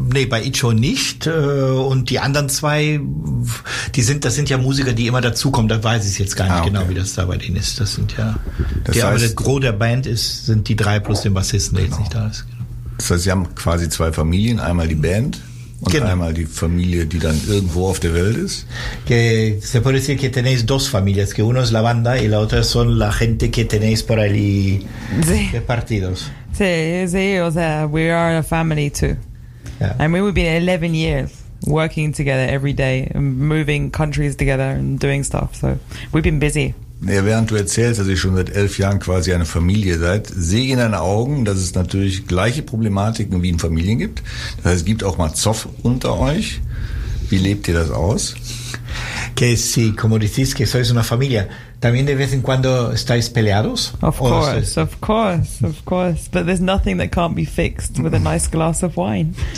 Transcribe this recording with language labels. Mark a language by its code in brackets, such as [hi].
[de] Bei Icho nicht, und die anderen zwei, das sind ja Musiker, die immer dazukommen, da weiß ich es jetzt gar nicht, okay, genau, wie das da bei denen ist. Das sind ja, das der, heißt, aber das Gros der Band ist, sind die drei plus den Bassisten, der, genau, jetzt nicht da ist. Genau. Das heißt, sie haben quasi zwei Familien, einmal die Band und, genau, einmal die Familie, die dann irgendwo auf der Welt ist. [es] Que se puede decir que tenéis dos familias, que uno es la banda y la otra son la gente que tenéis por ahí repartidos. [en] See, or there, we are a family too, yeah, and we've been 11 years working together every day, moving countries together and doing stuff. So we've been busy. [de] Ja, während du erzählst, dass ihr schon seit 11 Jahren quasi eine Familie seid, sehe ich in deinen Augen, dass es natürlich gleiche Problematiken wie in Familien gibt. Das heißt, es gibt auch mal Zoff unter euch. Wie lebt ihr das aus? [es] Que si, como dices, que sois una familia. También de vez en cuando estáis peleados. [en] Of course. But there's nothing that can't be fixed with a nice glass of wine.